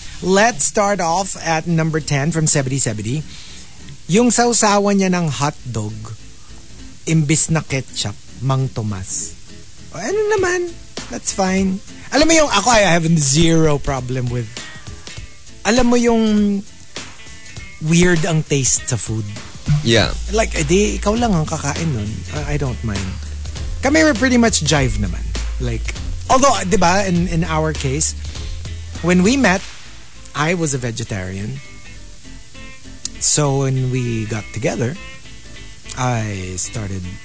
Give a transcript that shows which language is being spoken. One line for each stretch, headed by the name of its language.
English: Let's start off at number 10 from 7070.
Filipino: Yung sausawan niya ng hotdog, imbis na ketchup, Mang Tomas. Ano naman,
English: that's fine.
Filipino: Alam mo yung, ako,
English: I have zero problem with.
Filipino: Alam mo yung
English: weird
Filipino: ang taste sa food.
English: Yeah.
Filipino: Like, edi, ikaw lang ang kakain nun.
English: I don't mind. Kami, we're pretty much jive naman. Like, although,
Filipino: di ba,
English: in our case, when we met, I was a vegetarian. So when we got together, I started